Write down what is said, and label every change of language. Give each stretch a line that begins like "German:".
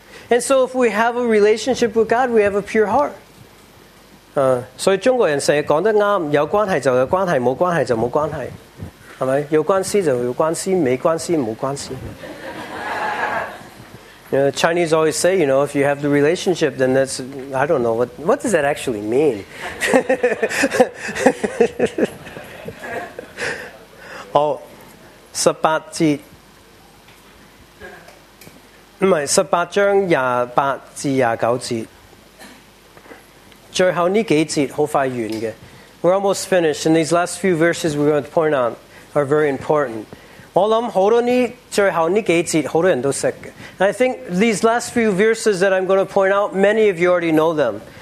English: And so if we have a relationship with God, we have a pure heart.
Chinese: 所以中国人说，讲得对，有关系就有关系，没关系就没关系，是不是？有关系就有关系，没关系没关系。
English: You know, Chinese always say, you know, if you have the relationship, then that's, I don't know, what does that actually mean?
Chinese: Oh, 18章28至29节，最后这几节很快完的。
English: We're almost finished, and these last few verses we're going to point on are very important.
Chinese: 我想很多最后这几节很多人都懂的。
English: I think these last few verses that I'm going to point out, many of you already know them.